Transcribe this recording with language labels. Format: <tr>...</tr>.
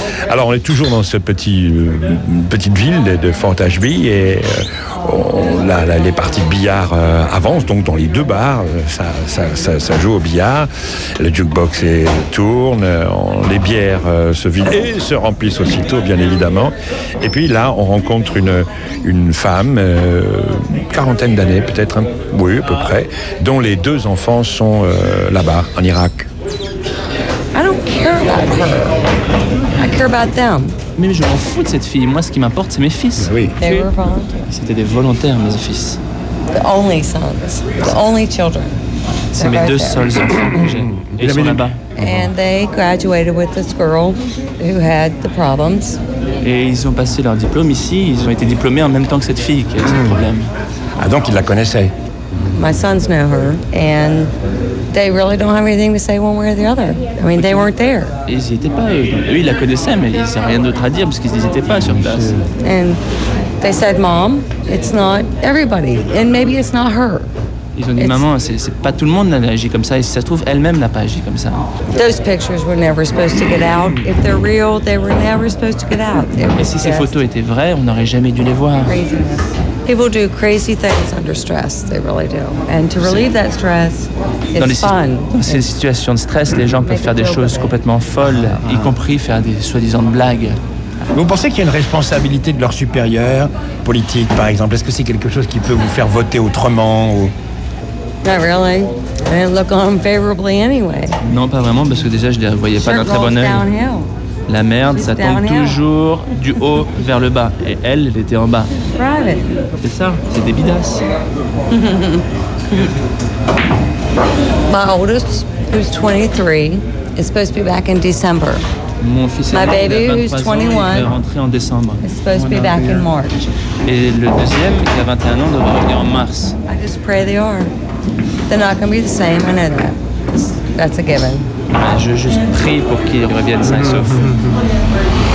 <fr>Alors, on est toujours dans cette petite ville de Fort Ashby, et les parties de billard avancent, donc dans les deux bars, ça joue au billard, le jukebox tourne, les bières se vident et se remplissent aussitôt, bien évidemment. Et puis là, on rencontre une femme, quarantaine d'années peut-être, hein, oui à peu près, dont les deux enfants sont là-bas, en Irak.</fr> <en>I don't care about her. I care about them.</en> <fr>Mais je m'en fous de cette fille. Moi, ce qui m'importe, c'est mes fils. Oui.</fr> <en>They were volunteers.</en> <fr>C'était des volontaires, mes fils.</fr> <en>The only sons. The only children.</en> <fr>C'est mes deux seuls enfants. Ils sont là-bas.</fr> <en>And they graduated with this girl who had the problems.</en> <fr>Et ils ont passé leur diplôme ici. Ils ont été diplômés en même temps que cette fille qui a ce problème. Ah, donc ils la connaissaient.</fr> <en>My sons know her, and they really don't have anything to say one way or the other. I mean, they weren't there.</en> <fr>Ils n'y étaient pas. Eux, ils la connaissaient, mais ils n'ont rien d'autre à dire parce qu'ils n'y étaient pas sur place.</fr> <en>And they said, "Mom, it's not everybody, and maybe it's not her."</en> <fr>Ils ont dit, maman, c'est pas tout le monde qui a agi comme ça, et si ça se trouve, elle-même n'a pas agi comme ça.</fr> <en>Those pictures were never supposed to get out. If they're real, they were never supposed to get out.</en> <fr>Et si ces photos étaient vraies, on n'aurait jamais dû les voir.</fr> <en>People do crazy things under stress, they really do. And to relieve that stress, it's fun.</en> <fr>Dans ces situations de stress, les gens peuvent faire des choses complètement folles, y compris faire des soi-disant blagues. Vous pensez qu'il y a une responsabilité de leurs supérieurs, politiques par exemple? Est-ce que c'est quelque chose qui peut vous faire voter autrement ou...</fr> <en>Not really. I didn't look on them favorably anyway.</en> <fr>Non, pas vraiment, parce que déjà je les voyais pas d'un très bon œil. La merde, ça tombe toujours du haut vers le bas, et elle était en bas.</fr> <en>Private.</en> <fr>C'est ça, c'est des bidasses.</fr> <en>My oldest, who's 23, is supposed to be back in December.</en> <fr>Mon fils est rentré en décembre.</fr> <en>Is supposed to be back in March.</en> <fr>Et le deuxième, qui a 21 ans, devrait revenir en mars.</fr> <en>I just pray they are. They're not going to be the same, I know that. That's a given.</en> <fr>Je juste prie pour qu'ils reviennent sains et saufs.</fr>